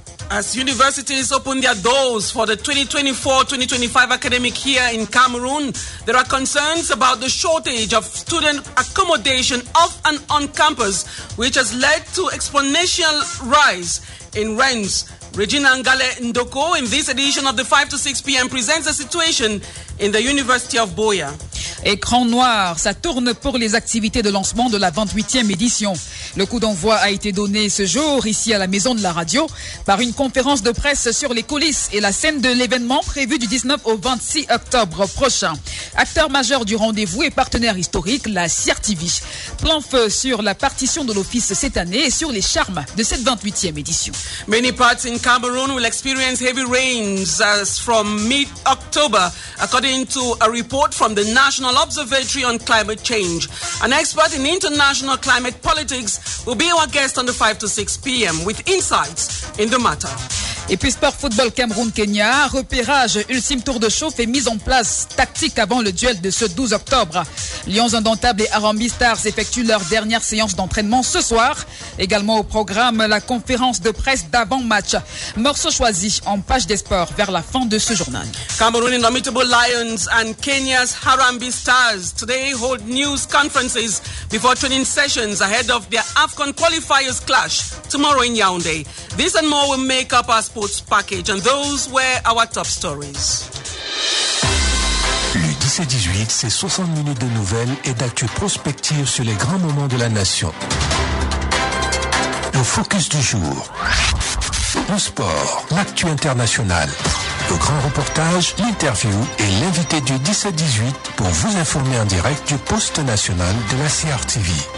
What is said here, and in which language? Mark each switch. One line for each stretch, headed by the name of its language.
English: As universities open their doors for the 2024-2025 academic year in Cameroon, there are concerns about the shortage of student accommodation off and on campus, which has led to exponential rise in rents. Regina Ngale Ndoko, in this edition of the 5 to 6 p.m., presents the situation in the University of Boya.
French: Écran noir, ça tourne pour les activités de lancement de la 28e édition. Le coup d'envoi a été donné ce jour, ici à la Maison de la Radio, par une conférence de presse sur les coulisses et la scène de l'événement prévu du 19 au 26 octobre prochain. Acteur majeur du rendez-vous et partenaire historique, la CIRTV. Plan feu sur la partition de l'office cette année et sur les charmes de cette 28e édition.
English: Many parts in Cameroon will experience heavy rains as from mid-October, according to a report from the National Observatory on Climate Change. An expert in international climate politics will be our guest on the 5 to 6 p.m. with insights in the matter.
French: Et puis Sport Football Cameroun-Kenya, repérage, ultime tour de chauffe et mise en place tactique avant le duel de ce 12 octobre. Lions Indomptables et Harambee Stars effectuent leur dernière séance d'entraînement ce soir. Également au programme, la conférence de presse d'avant-match. Morceau choisi en page des sports vers la fin de ce journal.
English: Cameroon Indomitable Lions and Kenya's Harambee Stars today hold news conferences before training sessions ahead of their AFCON qualifiers clash tomorrow in Yaoundé. This and more will make up our sports package, and those were our top stories.
French: Le 17-18, c'est 60 minutes de nouvelles et d'actu prospective sur les grands moments de la nation. Le focus du jour, le sport, l'actu international, le grand reportage, l'interview et l'invité du 17-18 pour vous informer en direct du poste national de la CRTV.